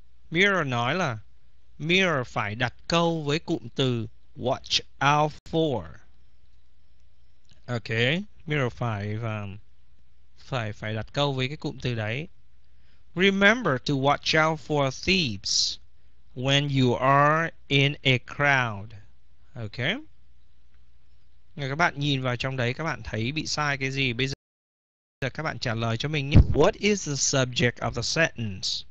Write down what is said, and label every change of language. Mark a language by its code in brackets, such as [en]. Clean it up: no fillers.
[vi] Mirror nói là Mirror phải đặt câu với cụm từ [en] watch out for. [vi] Ok, Mirror phải và phải phải đặt câu với cái cụm từ đấy. [en] Remember to watch out for thieves when you are in a crowd. Ok. [vi] Nếu các bạn nhìn vào trong đấy các bạn thấy bị sai cái gì? Bây giờ các bạn trả lời cho mình nhé. [en] What is the subject of the sentence?